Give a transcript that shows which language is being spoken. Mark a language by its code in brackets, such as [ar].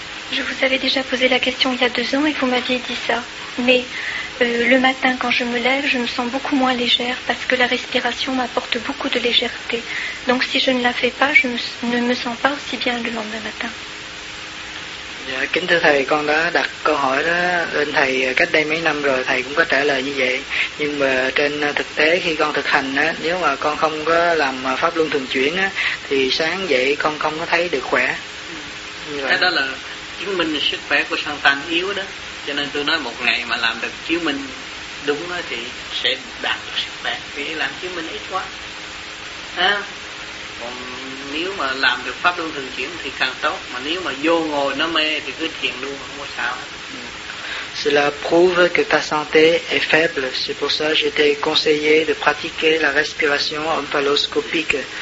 [fr] Je vous avais déjà posé la question il y a 2 ans et vous m'aviez dit ça. Mais le matin, quand je me lève, je me sens beaucoup moins légère parce que la respiration m'apporte beaucoup de légèreté. Donc si je ne la fais pas, je ne me sens pas aussi bien le lendemain matin. [vi] Kính thưa thầy, con đã đặt câu hỏi đó lên thầy cách đây mấy năm rồi, thầy cũng có trả lời như vậy. Nhưng mà trên thực tế khi con thực hành á, nếu mà con không có làm pháp luân thường chuyển á, thì sáng dậy con không có thấy được khỏe. Cái đó là chứng minh sức khỏe của sang tăng yếu đó. Cho nên tôi nói một ngày mà làm được chứng minh đúng đó thì sẽ đạt được sức khỏe, vì làm chứng minh ít quá. Còn nếu mà làm được pháp luân thường chuyển thì càng tốt, mà nếu mà vô ngồi nó mê thì cứ thiền luôn không có sao. [fr] Cela prouve que ta santé est faible, c'est pour ça que j'étais conseillé de pratiquer la respiration omphaloscopique.